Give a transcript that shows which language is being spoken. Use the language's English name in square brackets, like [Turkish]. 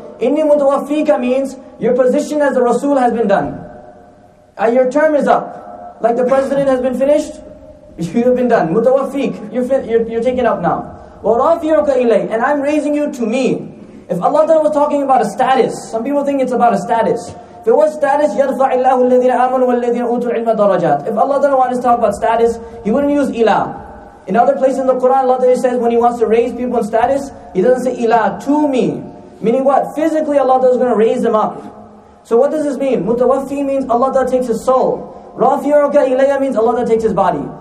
[Arabic] إِنِّي مُتَوَفِّيكَ [English] means your position as the Rasul has been done. Your term is up. Like the president has been finished, you have been done. مُتَوَفِّيك, you're taken up now. [Arabic] وَرَافِيُكَ إِلَيْهِ, [English] and I'm raising you to me. If Allah Ta'ala was talking about a status, some people think it's about a status. If it was status, [Arabic] يَدْفَعِ اللَّهُ الَّذِينَ آمَنُوا وَالَّذِينَ أُوتُوا الْعِلْمَ دَرَجَاتِ. [English] If Allah Ta'ala wanted to talk about status, he wouldn't use إِلَى. In other places in the Quran, Allah Ta'ala says when he wants to raise people in status, he doesn't say إِلَى, to me. Meaning what? Physically, Allah is going to raise them up. So what does this mean? Mutawaffi means Allah takes his soul. Rafi'uka ilayya means Allah takes his body.